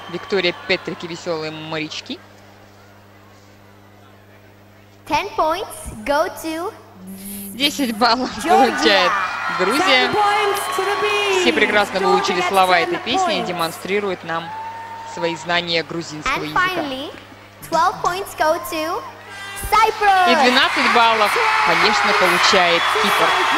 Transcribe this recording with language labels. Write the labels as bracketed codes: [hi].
[ru] Виктория Петрик и веселые морячки. [en] 10 points go to [ru] 10 баллов получает Грузия. Все прекрасно выучили слова этой песни и демонстрируют нам свои знания грузинского языка. [en] And finally, 12 points go to Cyprus. [ru] И 12 баллов, конечно, получает Кипр.